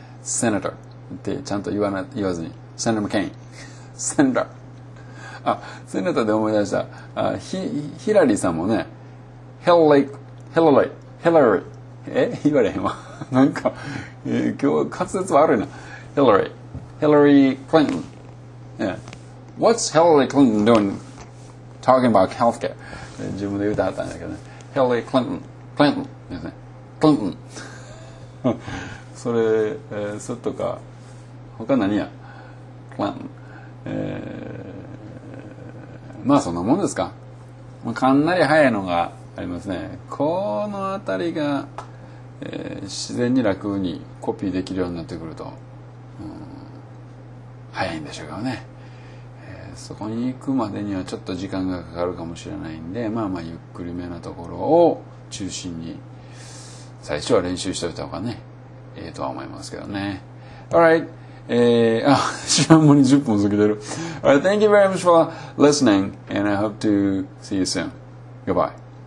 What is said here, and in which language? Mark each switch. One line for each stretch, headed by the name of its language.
Japanese: セネターってちゃんと言わずにセネター・マケイン、セネター、あ、セネターで思い出した、あ、ヒラリーさんもね、ヒラリー、言われへんわ。なんか、今日滑舌悪いな。
English: ヒラリー・クリントン、 What's Hillary Clinton doing talking about healthcare?
Japanese: 自分で言うてはったんだけどね。ヒラリー・クリントン。クリントンですね。クリントン。それ、それとか、他何や。クリントン。まあそんなもんですか。まあ、かなり早いのがありますね。このあたりが、自然に楽にコピーできるようになってくると、うん、早いんでしょうかね。そこに行くまでにはちょっと時間がかかるかもしれないんで、まあまあゆっくりめなところを中心に最初は練習しておいた方がね、ええとは思いますけどね。
English: Alright.
Japanese: しらんもに10分過ぎてる。
English: Alright, thank you very much for listening and I hope to see you soon. Goodbye.